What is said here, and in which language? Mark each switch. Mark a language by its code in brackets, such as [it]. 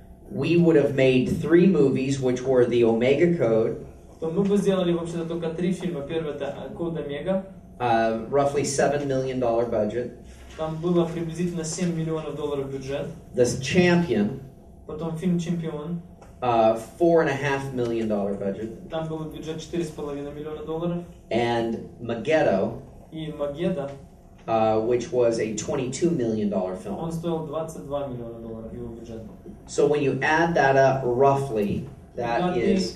[en] We would have made 3 movies, which were the Omega Code. [ru] То мы бы сделали вообще-то только 3 фильма. Первый это Код Омега. [en] Roughly $7 million budget. [ru] Там было приблизительно $7 миллионов бюджет. [en] The Champion. [ru] Потом фильм Чемпион. [en] $4.5 million budget. [ru] Там был бюджет $4.5 миллиона. [en] And Magetto. [ru] И Магетта. [en] Which was a $22 million film. [ru] Он стоил $22 миллиона его бюджет. [en] So when you add that up roughly, that is.